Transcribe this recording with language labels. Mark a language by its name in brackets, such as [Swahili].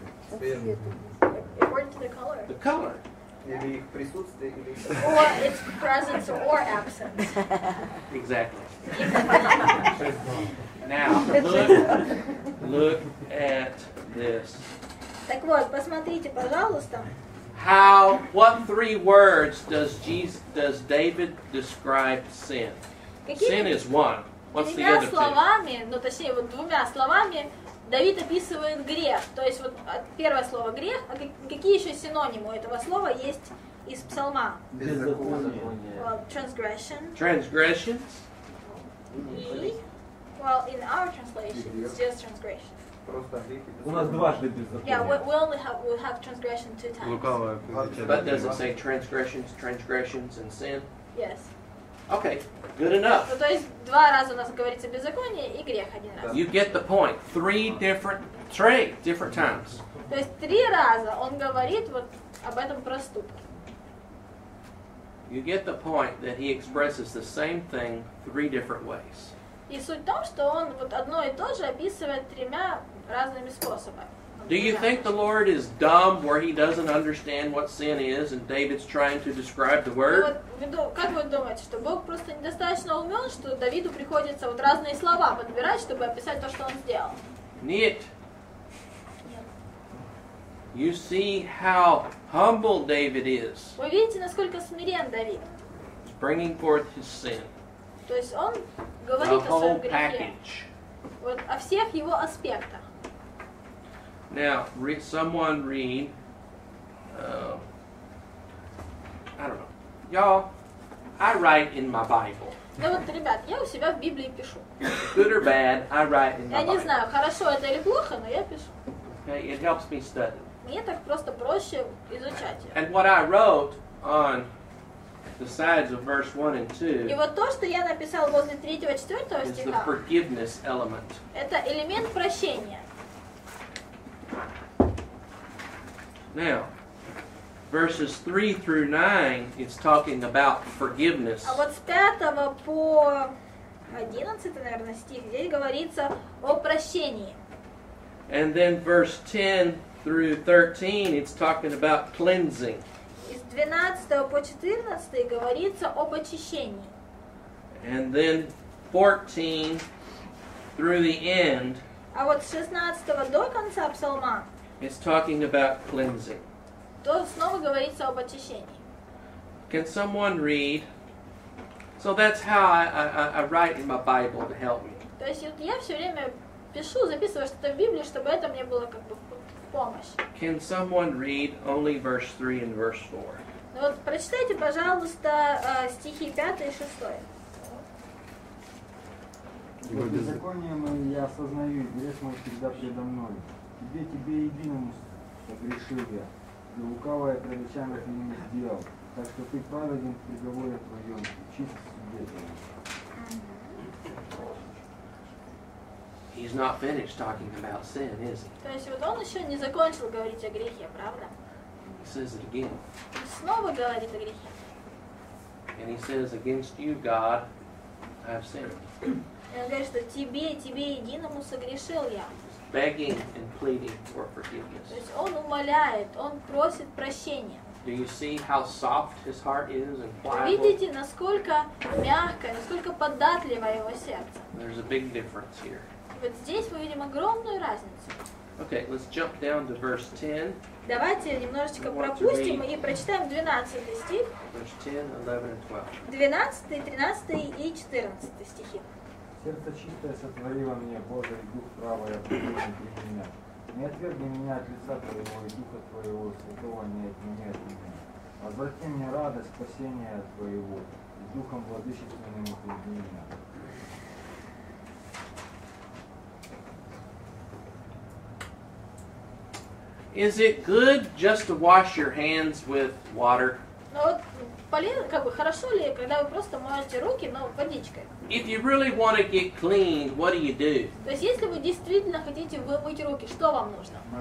[English] According to the color. The color. Yeah. Or its presence or absence. Exactly. Now, look at this. [Russian] Так вот, посмотрите, пожалуйста. [English] How, what three words does David describe sin? Sin is one. What's the other two? [Russian] Двумя словами, Давид описывает грех. То есть вот первое слово грех, а какие еще синонимы у этого слова есть из псалма? Беззаконие. [English] Well, transgression. Transgressions. Well, in our translation, it's just transgression. [Russian] У нас дважды беззаконие. [English] Yeah, we only have transgression two times. [Russian] Лукавое. [English] But does it say transgressions, and sin? Yes. Okay, good enough. [Russian] То есть два раза у нас говорится беззаконие и грех один раз. [English] You get the point. Three different times. [Russian] То есть три раза он говорит вот об этом проступке. [English] You get the point that he expresses the same thing three different ways. [Russian] И суть в том, что он вот одно и то же описывает тремя разными способами. [English] Do you think the Lord is dumb where he doesn't understand what sin is and David's trying to describe the word? [Russian] Как вы думаете, что Бог просто недостаточно умен, что Давиду приходится вот разные слова подбирать, чтобы описать то, что он сделал? Нет. [English] You see how humble David is. [Russian] Вы видите, насколько смирен Давид? [English] He's bringing forth his sin. [Russian] То есть он говорит о своем грехе. Вот о всех его аспектах. [English] Now, someone read, I don't know, y'all, I write in my Bible. [Russian] Ну вот, ребят, я у себя в Библии пишу. [English] Good or bad, I write in my Bible. [Russian] Я не знаю, хорошо это или плохо, но я пишу. [English] Okay, it helps me study. [Russian] Мне так просто проще изучать ее. [English] And what I wrote on the sides of verse 1 and 2 [Russian] и вот то, что я написал возле 3-4 стиха, [English] is the forgiveness element. [Russian] Это элемент прощения. [English] Now, verses 3 through 9, it's talking about forgiveness. [Russian] А вот с 5 по 11, наверное, стих, здесь говорится о прощении. [English] And then verse 10 through 13, it's talking about cleansing. [Russian] И с 12 по 14 говорится об очищении. [English] And then 14 through the end. [Russian] А вот с 16 до конца псалма. [English] It's talking about cleansing. [Russian] То снова говорится об очищении. [English] Can someone read? So that's how I write in my Bible to help me. [Russian] То есть вот я все время пишу, записываю что-то в Библии, чтобы это мне было как бы в помощь. [English] Can someone read only verse 3 and verse 4? [Russian] Ну вот прочитайте, пожалуйста, стихи 5 и 6. Вот беззаконие мое я осознаю, и грех мой всегда предо мной. Где тебе единому согрешил я, и лукавое пред очами твоими не сделал, так что ты праведен в приговоре твоем, и чист в суде твоем. [English] He's not finished talking about sin, is he? [Russian] То есть вот он еще не закончил говорить о грехе, правда? [English] He says it again. [Russian] Он снова говорит о грехе. [English] And he says, against you, God, I have sinned. [Russian] И он говорит, что тебе единому согрешил я. [English] Begging and pleading for forgiveness. [Russian] То есть он умоляет, он просит прощения. [English] Do you see how soft his heart is and pliable? [Russian] Видите, насколько мягкое, насколько податливое его сердце. [English] There's a big difference here. [Russian] И вот здесь мы видим огромную разницу. [English] Okay, let's jump down to verse 10. [Russian] Давайте немножечко пропустим и прочитаем 12 стих. [English] Verse 10, 11, 12. [Russian] 12, 13 и 14 стихи. Сердце чистое сотворило мне, Боже, и дух правый определил для меня. Не отвергни меня от лица Твоего, и духа Твоего, святого не отними от меня. Возврати мне радость спасения Твоего, и духом владычественным укрепи меня. [English] Is it good just to wash your hands with water? [Russian] Ну вот, полезно, как бы хорошо ли, когда вы просто моете руки, но водичкой? [English] If you really want to get clean, what do you do? [Russian] То есть, если вы действительно хотите вымыть руки, что вам нужно?